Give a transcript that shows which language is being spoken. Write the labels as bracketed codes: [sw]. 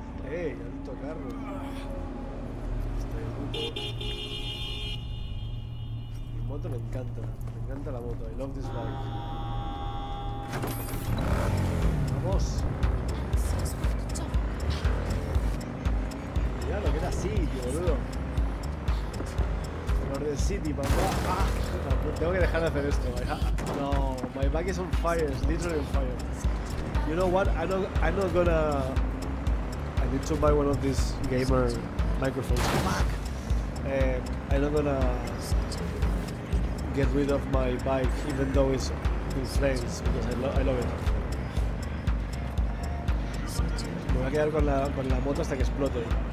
[es] Ey, alto carro. Mi moto me encanta la moto, [en] I love this bike. [es] Vamos. Mira lo que era City, boludo. [en] Lord of City, papá. [es] Ah, tengo que dejar de hacer esto, vaya. [en] No, my bike is on fire, it's literally on fire. You know what? I'm not gonna. I need to buy one of these gamer microphones. Fuck. I'm not gonna get rid of my bike, even though it's in flames, because I love it. [es] Me voy a quedar con la moto hasta que explote.